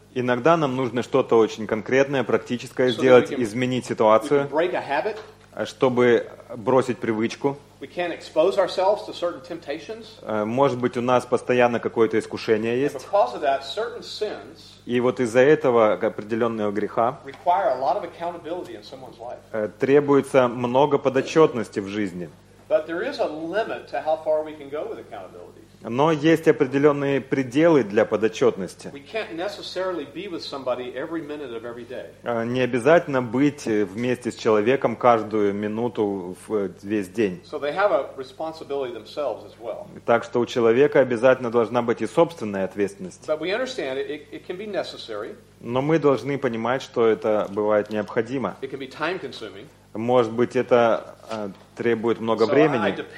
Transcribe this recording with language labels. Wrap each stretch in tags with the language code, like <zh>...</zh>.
<ru>Иногда нам нужно что-то очень конкретное, практическое сделать, изменить ситуацию, чтобы бросить привычку.</ru> <en>We can't expose ourselves to certain temptations.</en> <ru>Может быть, у нас постоянно какое-то искушение есть.</ru> <en>And because of that, certain sins.</en> <ru>И вот из-за этого определенного греха</ru> <en>require a lot of accountability in someone's life.</en> <ru>Требуется много подотчетности в жизни.</ru> <en>But there is a limit to how far we can go with accountability.</en> <ru>Но есть определенные пределы для подотчетности.</ru> <en>We can't necessarily be with somebody every minute of every day.</en> <ru>Не обязательно быть вместе с человеком каждую минуту в весь день.</ru> <en>So they have a responsibility themselves as well.</en> <ru>Так что у человека обязательно должна быть и собственная ответственность.</ru> <en>But we understand it can be necessary.</en> <ru>Но мы должны понимать, что это бывает необходимо.</ru> <en>It can be time-consuming.</en> <ru>Может быть, это требует много времени.</ru>